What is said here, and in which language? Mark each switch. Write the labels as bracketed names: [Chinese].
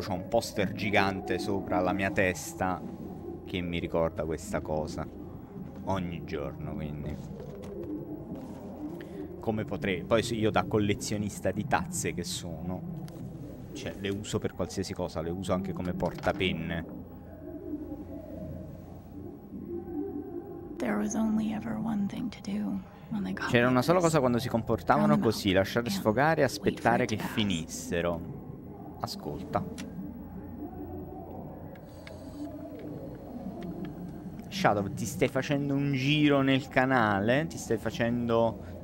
[Italian] C'ho un poster gigante sopra la mia testa che mi ricorda questa cosa. Ogni giorno, quindi. Come potrei... Poi io da collezionista di tazze che sono... Cioè, le uso per qualsiasi cosa. Le uso anche come portapenne. [English] There was only ever one thing to do. [Italian] C'era una sola cosa quando si comportavano così: lasciare sfogare e aspettare che finissero. Ascolta. Shadow, ti stai facendo un giro nel canale? Ti stai facendo...